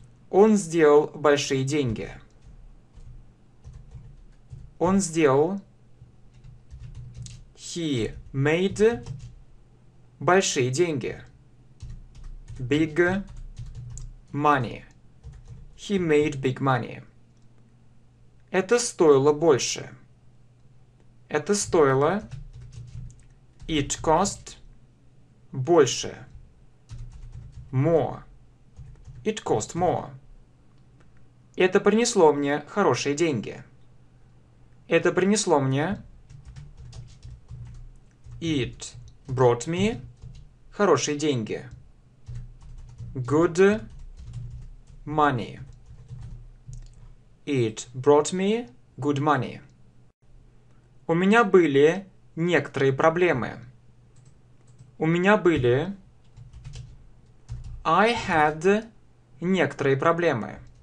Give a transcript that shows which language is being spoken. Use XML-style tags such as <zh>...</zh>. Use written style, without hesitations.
<ru>Он сделал большие деньги. Он сделал.</ru> <en>He made</en> <ru>большие деньги.</ru> <en>Big money. He made big money.</en> <ru>Это стоило больше. Это стоило.</ru> <en>It cost больше. More. It cost more.</en> <ru>Это принесло мне хорошие деньги. Это принесло мне.</ru> <en>It brought me</en> <ru>хорошие деньги.</ru> <en>Good money. It brought me good money.</en> <ru>У меня были некоторые проблемы. У меня были...</ru> <en>I had</en> <ru>некоторые проблемы.</ru>